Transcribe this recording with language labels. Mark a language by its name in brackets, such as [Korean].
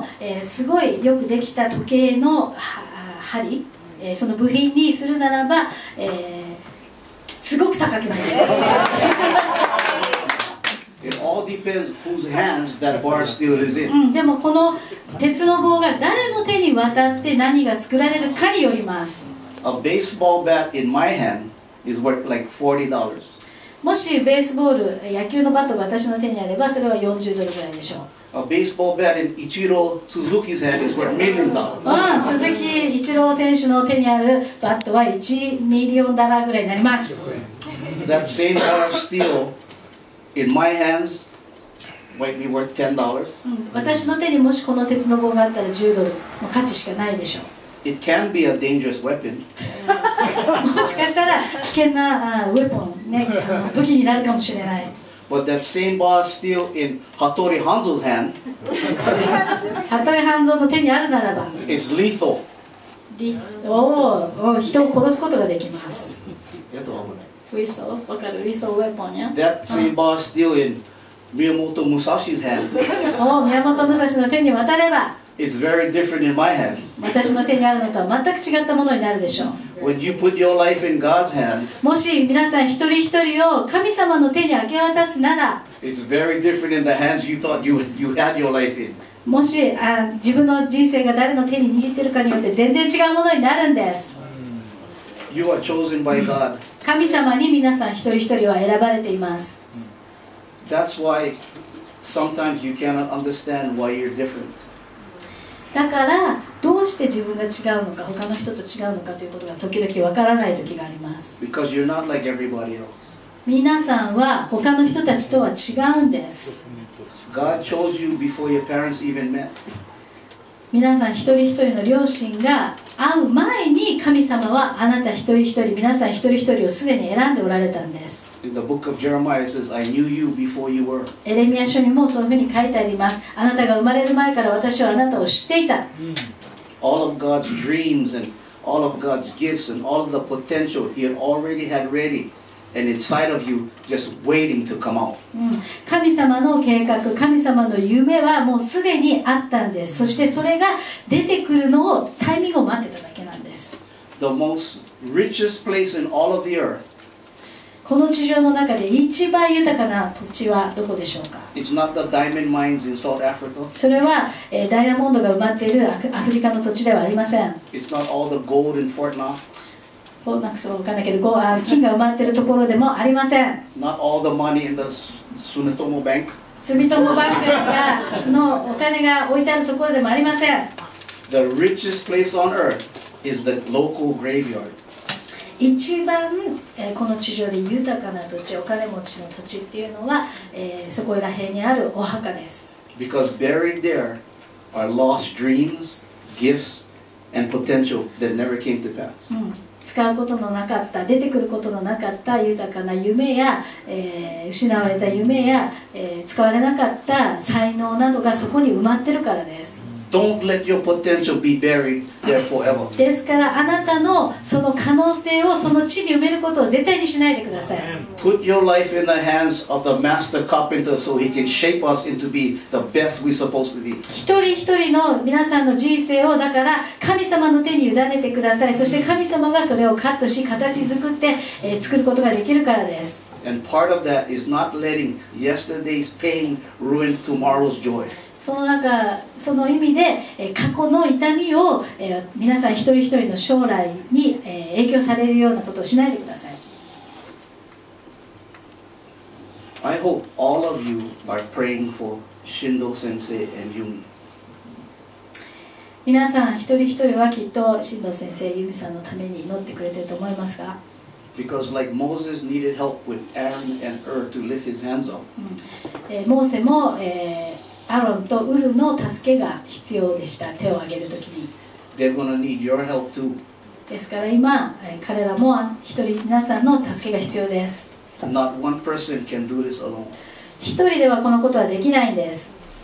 [Japanese] でも、すごいよくできた時計の針、その部品にするならば、すごく高くなります。 [English] It all depends whose hands that bar steel is in. [Japanese] でもこの鉄の棒が誰の手に渡って何が作られるかによります。 [English] A baseball bat in my hand is worth like $40. [Japanese] もしベースボール、野球のバットが私の手にあればそれは40ドルぐらいでしょう。 [English] A baseball bat in Ichiro Suzuki's hand is worth $1 million. [Japanese] 鈴木一郎選手の手にあるバットは1ミリオンダラーぐらいになります。 [English] That same bar steel in my hands might be worth $10. [Japanese] 私の手にもしこの鉄の棒があったら10ドルの価値しかないでしょう。 [English] It can be a dangerous weapon. [Japanese] もしかしたら危険なウェポン、ね、武器になるかもしれない。 [English] But that same bar steel in Hattori Hanzo's hand. [Japanese] Hattori Hanzo の手にあるならば。 [English] Is lethal. [Japanese] おお、人を殺すことができます。やっと危ない。リソ、わかる、リソウェポンや。 [English] That same bar steel in Miyamoto Musashi's hand. [Japanese] おお、宮本武蔵の手に渡れば。 [English] It's very different in my hand. [Japanese] 私の手にあるのとは全く違ったものになるでしょう。 [English] When you put your life in God's hands. [Japanese] もし皆さん一人一人を神様の手に明け渡すなら。 [English] It's very different in the hands you thought you had your life in. [Japanese] もし自分の人生が誰の手に握ってるかによって全然違うものになるんです。 [English] You are chosen by God. [Japanese] 神様に皆さん一人一人は選ばれています。 [English] That's why sometimes you cannot understand why you're different. [Japanese] だからどうして自分が違うのか他の人と違うのかということが時々わからない時があります。 [English] Because you're not like everybody else. [Japanese] 皆さんは他の人たちとは違うんです。 [English] God chose you before your parents even met. [Japanese] 皆さん一人一人の両親が会う前に神様はあなた一人一人皆さん一人一人をすでに選んでおられたんです。 [English] In the book of Jeremiah it says I knew you before you were. [Japanese] エレミア書にもそういうふうに書いてあります。あなたが生まれる前から私はあなたを知っていた。 [English] All of God's dreams and all of God's gifts and all of the potential he had already had readyAnd inside of you, just waiting to come out. [Japanese] 神様の計画、神様の夢はもうすでにあったんです。そしてそれが出てくるのをタイミングを待ってただけなんです。 [English] The most richest place in all of the earth. [Japanese] この地上の中で一番豊かな土地はどこでしょうか? [English] It's not the diamond mines in South Africa. [Japanese] それはダイヤモンドが埋まっているアフリカの土地ではありません。 [English] It's not all the gold in Fort Knox. [Japanese] フォーマックスは分からないけど、金が埋まっているところでもありません。 [English] Not all the money in the Sumitomo Bank. [Japanese] Sumitomo Bank のお金が置いてあるところでもありません。 [English] The richest place on earth is the local graveyard. [Japanese] 一番、この地上で豊かな土地、お金持ちの土地っていうのは、そこら辺にあるお墓です。 [English] Because buried there are lost dreams, gifts, and potential that never came to pass. [Japanese] 使うことのなかった、出てくることのなかった豊かな夢や、失われた夢や、使われなかった才能などがそこに埋まってるからです。 [English] Don't let your potential be buried there forever. [Japanese] ですからあなたのその可能性をその地に埋めることを絶対にしないでください。 [English] Put your life in the hands of the master carpenter so he can shape us into be the best we're supposed to be. [Japanese] 一人一人の皆さんの人生をだから神様の手に委ねてください。そして神様がそれをカットし形作って、作ることができるからです。 [English] And part of that is not letting yesterday's pain ruin tomorrow's joy. [Japanese] その意味で過去の痛みを皆さん一人一人の将来に影響されるようなことをしないでください。 [English] I hope all of you are praying for Shindo Sensei and Yumi. [Japanese] 皆さん一人一人はきっと Shindo Sensei and Yumi さんのために祈ってくれていると思いますが。 [English] Because like Moses needed help with Aaron and Ur to lift his hands up. [Japanese] モーセも、アロンとウルの助けが必要でした。手を挙げるときに。 [English] They're gonna need your help too. [Japanese] ですから今彼らも一人皆さんの助けが必要です。 [English] Not one person can do this alone. [Japanese] 一人ではこのことはできないんです。